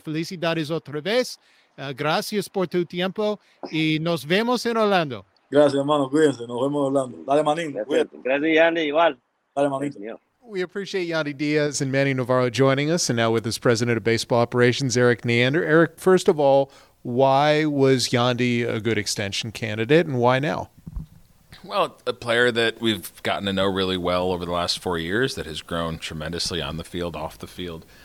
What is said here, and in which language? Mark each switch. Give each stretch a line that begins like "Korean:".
Spanish: Felicidades otra vez. Gracias por tu tiempo y nos vemos en Orlando. Gracias, hermano. Cuídense. Nos vemos en Orlando. Dale, manín. Cuídate. Gracias, Yandy. Igual. Dale, manín.
English: We appreciate Yandy Diaz and Manny Navarro joining us, and now with us, President of Baseball Operations, Eric Neander. Eric, first of all, why was Yandy a good extension candidate and why now? Well, a player that we've gotten to know really well over the last 4 years that has grown tremendously on the field, off the field.